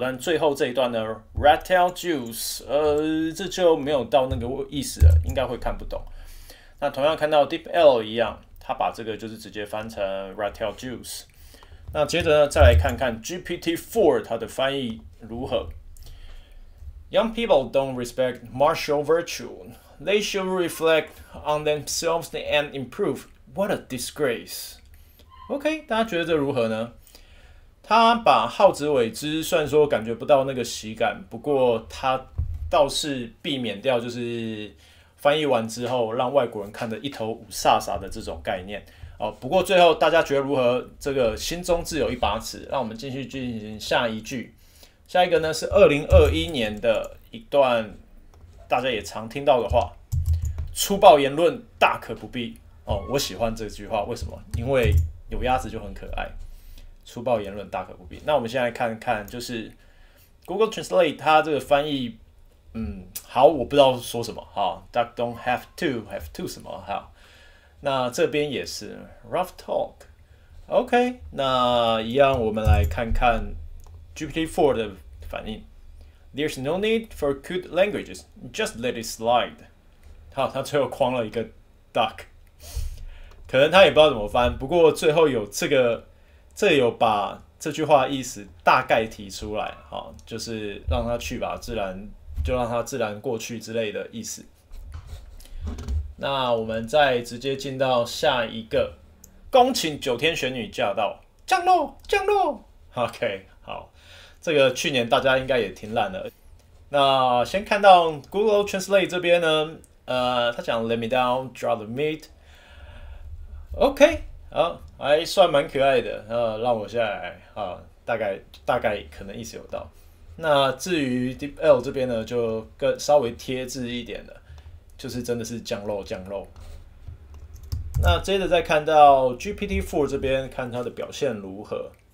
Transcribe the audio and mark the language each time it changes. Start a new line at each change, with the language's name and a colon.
Chinese: 但最后这一段呢 ，
English: Rat tail juice，
Chinese: 这就没有到那个意思了，应该会看不懂。那同样看到 DeepL 一样，他把这个就是直接翻成
English: Rat tail juice。
Chinese: 那接着呢，再来看看 GPT-4 它的翻译如何。
English: Young people don't respect martial virtue. They should reflect on themselves and improve. What a disgrace!
Chinese: OK， 大家觉得这如何呢？他把好自为之，虽然说感觉不到那个喜感，不过他倒是避免掉就是翻译完之后让外国人看得一头雾煞煞的这种概念、哦、不过最后大家觉得如何？这个心中自有一把尺。让我们继续进行下一句。下一个呢是2021年的一段大家也常听到的话：粗暴言论大可不必、哦、我喜欢这句话，为什么？因为有鸭子就很可爱，粗暴言论大可不必。那我们现在看看，就是 Google Translate 它这个翻译，好，我不知道说什么哈。
English: Duck don't have to have to
Chinese: 什么哈？那这边也是
English: rough talk。
Chinese: OK， 那一样，我们来看看 GPT-4 的反应。
English: There's no need for cute languages, just let it slide。
Chinese: 好，它最后框了一个 duck。可能他也不知道怎么翻，不过最后有这个，这有把这句话意思大概提出来，好，就是让他去吧，自然就让他自然过去之类的意思。那我们再直接进到下一个，恭请九天玄女驾到，降落降落。 OK， 好，这个去年大家应该也挺烂的。那先看到 Google Translate 这边呢，他讲
English: Let me down, draw the meat。
Chinese: OK， 好，还算蛮可爱的，让我下来，大概可能意思有到。那至于 DeepL 这边呢，就更稍微贴字一点的，就是真的是降落降落。那接着再看到 GPT-4 这边，看它的表现如何。